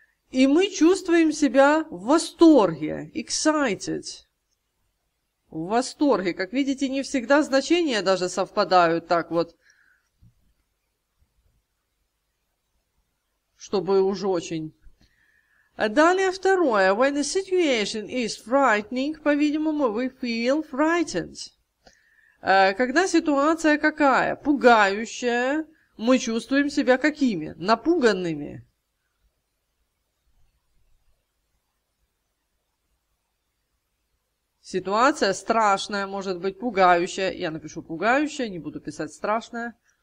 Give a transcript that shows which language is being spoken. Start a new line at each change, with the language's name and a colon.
Russian: И мы чувствуем себя в восторге, excited, в восторге. Как видите, не всегда значения даже совпадают так вот, чтобы уж очень... Далее второе.
English: When a situation is frightening,
Russian: по-видимому,
English: we feel frightened.
Russian: Когда ситуация какая? Пугающая. Мы чувствуем себя какими? Напуганными. Ситуация страшная, может быть, пугающая. Я напишу пугающая, не буду писать страшная.